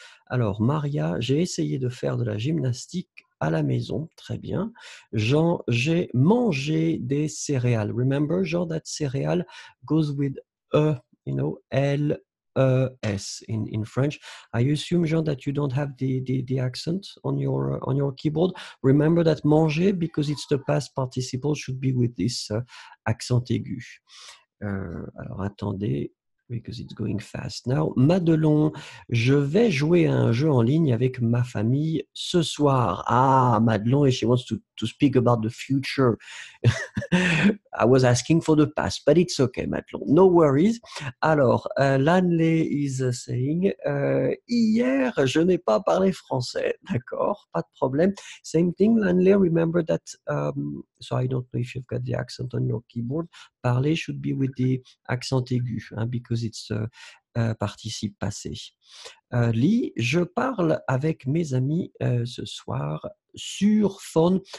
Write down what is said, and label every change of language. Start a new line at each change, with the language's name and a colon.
French: Alors Maria, j'ai essayé de faire de la gymnastique à la maison. Très bien. Jean, j'ai mangé des céréales.
English: Remember, Jean, that céréale goes with L-E-S in French. I assume, Jean, that you don't have the accent on your keyboard. Remember that manger, because it's the past participle, should be with this accent aigu.
French: Alors, attendez,
English: because it's going fast now.
French: Madelon, je vais jouer à un jeu en ligne avec ma famille ce soir.
English: Ah, Madelon, and she wants to speak about the future. I was asking for the past, but it's okay, Madelon. No worries.
French: Alors, Lanley
English: is saying,
French: hier, je n'ai pas parlé français. D'accord, pas de problème.
English: Same thing, Lanley, remember that, so I don't know if you've got the accent on your keyboard. Parler should be with the accent aigu, hein, because it's a participe passé.
French: Lee, je parle avec mes amis ce soir sur phone.